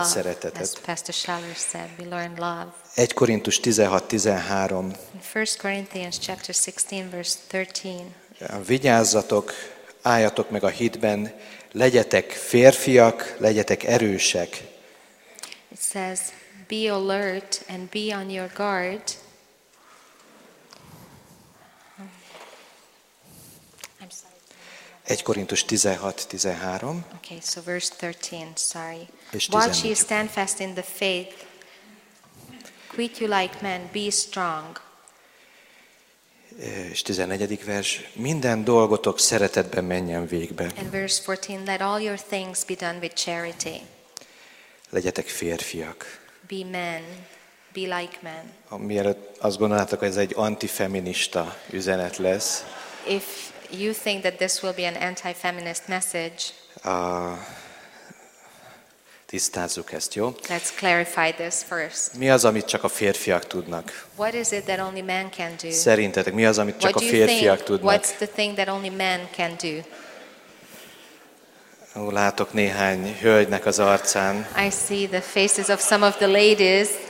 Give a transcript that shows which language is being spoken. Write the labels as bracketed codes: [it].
[hu] a szeretetet. [en] As Pastor Schaller said, we learn love. [hu] 1 Korintus 16:13. [en] First Corinthians chapter 16 verse 13. [hu] Vigyázzatok, álljatok meg a hitben, legyetek férfiak, legyetek erősek. [en] It says, be alert and be on your guard. I'm sorry. 1 Korintus 16:13. Okay, so verse 13, sorry. Watch ye steadfast in the faith, quit you like men, be strong. [hu] És 14. vers, minden dolgotok szeretetben menjen végbe. [en] And verse 14, let all your things be done with charity. [hu] Legyetek férfiak. [en] Be men, be like men. [hu] Mielőtt azt gondolnátok, hogy ez egy antifeminista üzenet lesz. [en] If you think that this will be an anti-feminist message, [hu] tisztázzuk ezt, jó? [en] Let's clarify this first. [hu] Mi az, amit csak a férfiak tudnak? [en] What is it that only men can do? [hu] Szerintetek mi az, amit csak a férfiak tudnak? [en] What's the thing that only men can do? [hu] Látok néhány hölgynek az arcán. [en] I see the faces of some of the ladies.